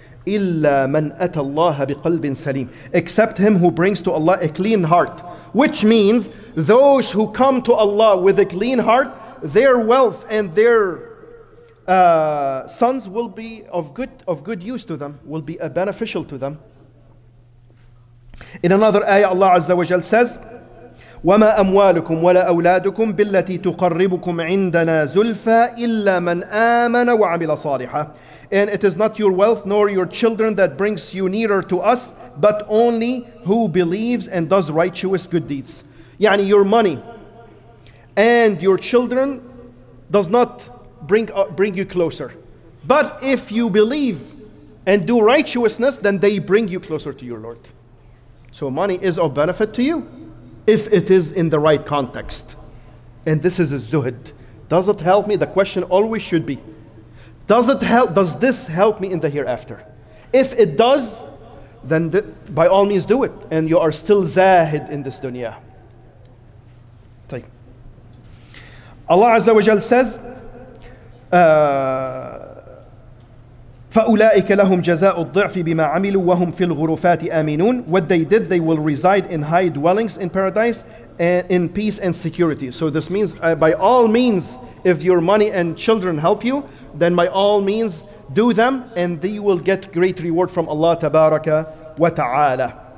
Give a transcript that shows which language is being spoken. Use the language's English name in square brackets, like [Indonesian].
[Arabic] إِلَّا مَنْ أَتَى اللَّهَ بِقَلْبٍ سَلِيمٍ, [English] except him who brings to Allah a clean heart. Which means those who come to Allah with a clean heart, their wealth and their sons will be of good use to them, will be beneficial to them. In another ayah, Allah Azza wa Jal says, [Arabic] وَمَا أَمْوَالُكُمْ وَلَا أَوْلَادُكُمْ بِالَّتِي تُقَرِّبُكُمْ عِنْدَنَا زُلْفَى إِلَّا مَنْ آمَنَ وَعَمِلَ صَالِحًا. [English] And it is not your wealth nor your children that brings you nearer to us, but only who believes and does righteous good deeds. يعني your money and your children does not bring you closer. But if you believe and do righteousness, then they bring you closer to your Lord. So money is of benefit to you if it is in the right context. And this is a zuhd. Does it help me? The question always should be, does this help me in the hereafter? If it does, then by all means do it. And you are still zahid in this dunya. Allah Azza wa Jal says, [Arabic] فَأُولَٰئِكَ لَهُمْ جَزَاءُ الضِّعْفِ بِمَا عَمِلُوا وَهُمْ فِي الْغُرُفَاتِ آمِنُونَ. [English] What they did, they will reside in high dwellings in paradise, in peace and security. So this means, by all means, if your money and children help you, then by all means, do them, and they will get great reward from Allah Tabaraka wa Ta'ala.